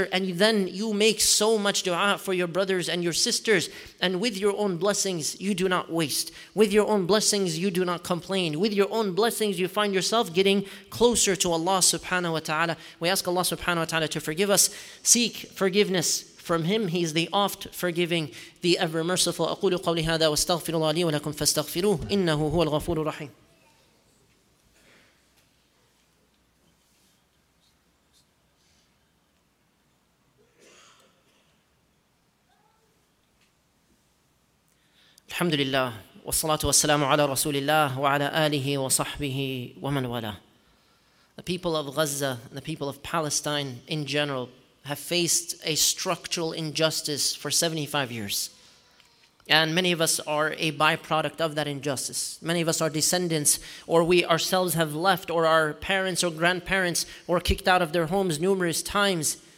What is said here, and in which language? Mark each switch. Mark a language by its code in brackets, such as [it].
[en] sister, and then you make so much dua for your brothers and your sisters, and with your own blessings, you do not waste. With your own blessings, you do not complain. With your own blessings, you find yourself getting closer to Allah subhanahu wa ta'ala. We ask Allah subhanahu wa ta'ala to forgive us. Seek forgiveness from Him. He is the oft forgiving, the ever merciful. [ar] أقول قولي هذا واستغفر الله لي ولكم فاستغفروه إنه هو الغفور الرحيم. الحمد لله والصلاة والسلام على رسول الله وعلى آله وصحبه ومن والاه. [en] The people of Gaza and the people of Palestine in general have faced a structural injustice for 75 years. And many of us are a byproduct of that injustice. Many of us are descendants, or we ourselves have left, or our parents or grandparents were kicked out of their homes numerous times.